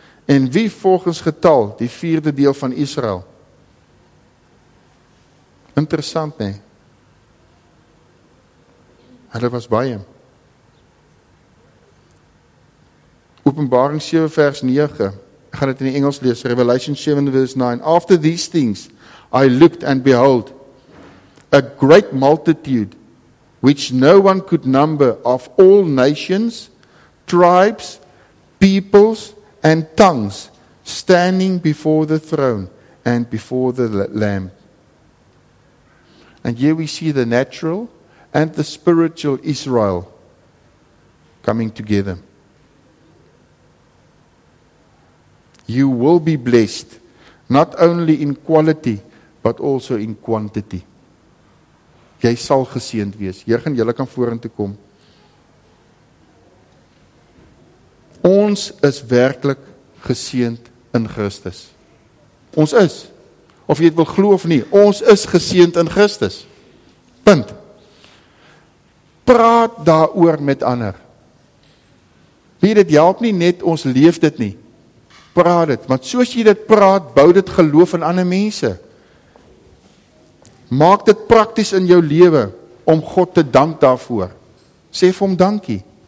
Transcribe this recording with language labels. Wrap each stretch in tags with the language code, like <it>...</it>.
<af>En wie volgens getal die vierde deel van Israel? Interessant, nee. Hulle was baie. Openbaring 7 vers 9. Ek gaan dit in die Engels lees.</af> <en>Revelation 7 verse 9. After these things I looked and behold a great multitude which no one could number of all nations, tribes, peoples, and tongues standing before the throne and before the Lamb. And here we see the natural and the spiritual Israel coming together. You will be blessed, not only in quality, but also in quantity.</en> <af>Jy sal geseend wees. Heer, gaan julle kan vorentoe kom. Ons is werklik geseend in Christus. Ons is. Of jy het wil glo of nie, ons is geseend in Christus. Punt. Praat daaroor met ander. Wie dit help nie net, ons leef dit nie. Praat dit, want soos jy dit praat, bou dit geloof in ander mense. Maak dit prakties in jou lewe om God te dank daarvoor. Sê vir hom dankie.</af>